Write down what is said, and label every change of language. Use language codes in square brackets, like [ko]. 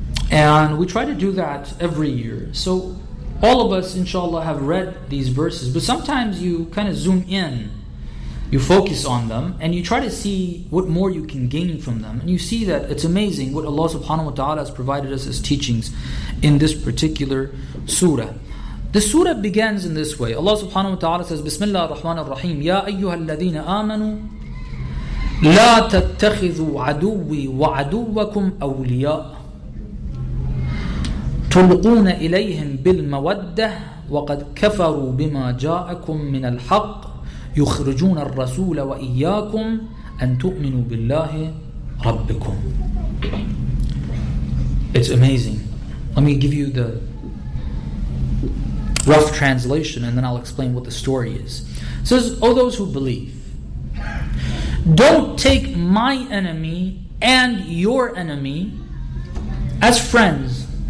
[en] And we try to do that every year. So all of us, inshallah, have read these verses. But sometimes you kind of zoom in, you focus on them, and you try to see what more you can gain from them. And you see that it's amazing what Allah subhanahu wa ta'ala has provided us as teachings in this particular surah. The surah begins in this way. Allah subhanahu wa ta'ala says, [ar] Bismillah ar-Rahman ar-Rahim, Ya ayyuhal ladhina amanu, لا تتخذوا عدوي وعدوكم أولياء تلقون إليهم بالمودة وقد كفروا بما جاءكم من الحق يخرجون الرسول وإياكم أن تؤمنوا بالله ربكم. [en] It's amazing. Let me give you the rough translation and then I'll explain what the story is. It says, O those who believe, don't take my enemy and your enemy as friends.